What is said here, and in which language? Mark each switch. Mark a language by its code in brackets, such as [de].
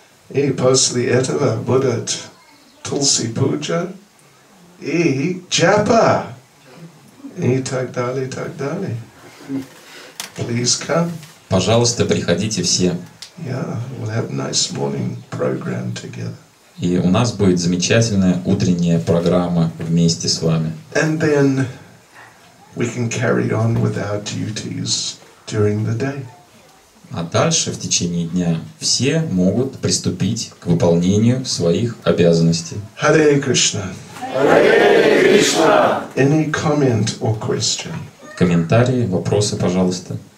[ru] И после этого будет тулси пуджа и джапа. И так далее, и так далее. [en] Please come. [ru] Пожалуйста, приходите все. [en] Yeah, we'll have nice morning program together. [ru] И у нас будет замечательная утренняя программа вместе с вами. [en] And then we can carry on with our duties during the day. [ru] А дальше в течение дня все могут приступить к выполнению своих обязанностей. [sa] Hare Krishna. Hare Krishna. [en] Any comment or question? [ru] Комментарии, вопросы, пожалуйста.